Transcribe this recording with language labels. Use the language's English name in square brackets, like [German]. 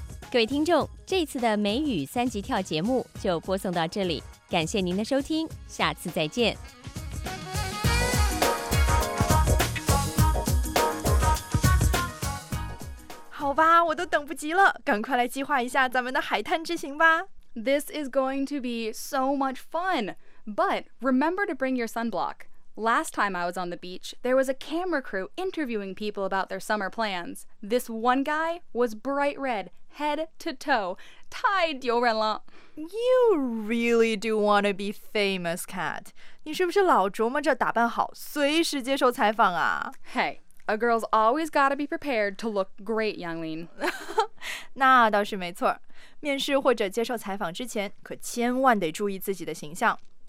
[Chinese] 各位听众，这次的美语三级跳节目就播送到这里，感谢您的收听，下次再见。好吧，我都等不及了，赶快来计划一下咱们的海滩之行吧。 [English] This is going to be so much fun. But remember to bring your sunblock. Last time I was on the beach, there was a camera crew interviewing people about their summer plans. This one guy was bright red, head to toe. [Chinese] 太丢人了。 [English] You really do want to be famous, Kat. [Chinese] 你是不是老琢磨着打扮好，随时接受采访啊？ [English] Hey. A girl's always gotta be prepared to look great, Youngling. [Chinese] 那倒是没错。面试或者接受采访之前，可千万得注意自己的形象。